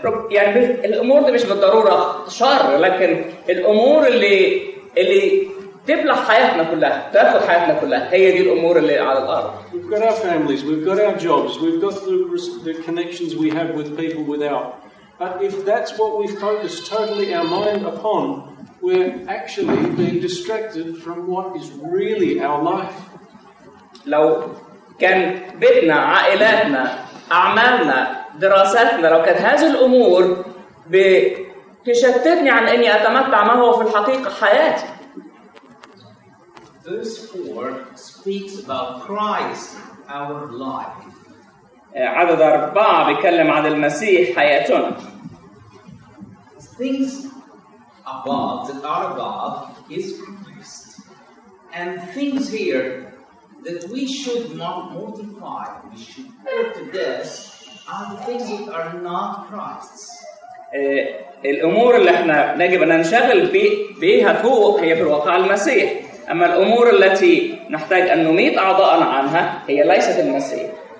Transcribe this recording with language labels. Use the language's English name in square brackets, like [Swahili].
[Arabic] يعني الأمور دي مش بالضرورة شر، لكن الأمور اللي تبلع حياتنا كلها، تأخذ حياتنا كلها، هي دي الأمور اللي على الأرض. [English] We've got our families, we've got our jobs, we've got the connections we have with people without. But if that's what we focus totally our mind upon, we're actually being distracted from what is really our life. [Arabic] لو كان بيتنا، عائلاتنا، أعمالنا، دراساتنا، لو كانت هذه الأمور بتشتتني عن إني أتمتع ما هو في الحقيقة حياتي. [English] Verse 4 speaks about Christ, our life. [Arabic] عدد 4 بيتكلم عن المسيح حياتنا. [English] Things above, that are above, is Christ. And things here that we should not multiply, we should put to death, are things that are not Christ's. [Arabic] الأمور اللي احنا نجب أن نشغل بيها فوق هي في الواقع المسيح. أما الأمور التي نحتاج أن نميت أعضاءنا عنها هي ليست المسيح.